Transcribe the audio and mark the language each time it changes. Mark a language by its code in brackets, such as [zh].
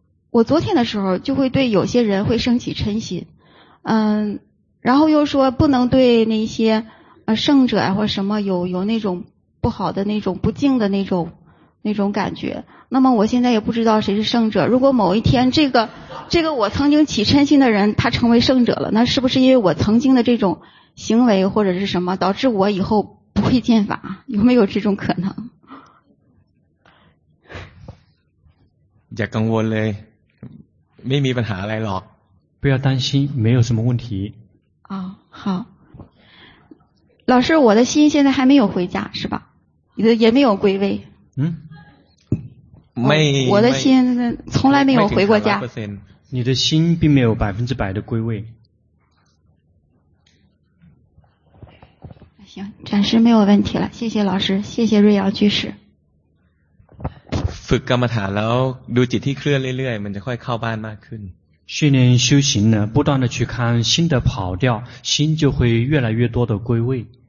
[zh] 我昨天的时候就会对有些人会升起嗔心然后又说不能对那些圣者啊或什么有那种不好的那种不敬的那种感觉那么我现在也不知道谁是圣者如果某一天这个我曾经起嗔心的人他成为圣者了那是不是因为我曾经的这种行为或者是什么导致我以后不会见法有没有这种可能 [th] อย่ากังวลเลยไม่มีปัญหาอะไรหรอก [zh] 不要担心没有什么问题啊好老师我的心现在还没有回家是吧也没有归位嗯没我的心从来没有回过家你的心并没有百分之百的归位行暂时没有问题了谢谢老师谢谢瑞瑶居士 [th] ฝึกกรรมฐานแล้วดูจิตที่เคลื่อนเรื่อยๆมันจะค่อยเข้าบ้านมากขึ้น [zh] 训练修行呢不断的去看心的跑掉心就会越来越多的归位